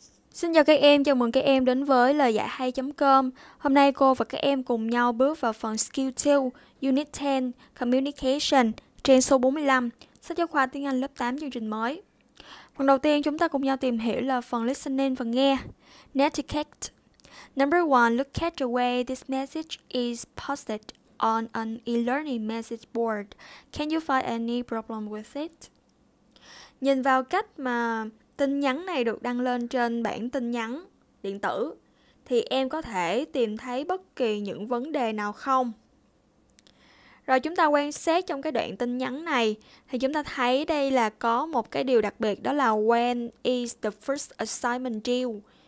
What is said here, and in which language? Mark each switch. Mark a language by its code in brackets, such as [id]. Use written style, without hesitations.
[vi] Xin chào các em, chào mừng các em đến với lời dạy hay.com. Hôm nay cô và các em cùng nhau bước vào phần Skill 2, Unit 10, Communication, trang số 45, sách giáo khoa tiếng Anh lớp 8 chương trình mới. Phần đầu tiên chúng ta cùng nhau tìm hiểu là phần Listening và nghe. [en] Netiquette. Number one, look at the way this message is posted on an e-learning message board. Can you find any problem with it? [vi] Nhìn vào cách mà tin nhắn này được đăng lên trên bảng tin nhắn điện tử thì em có thể tìm thấy bất kỳ những vấn đề nào không? Rồi chúng ta quan sát trong cái đoạn tin nhắn này thì chúng ta thấy đây là có một cái điều đặc biệt, đó là [en] when is the first assignment due?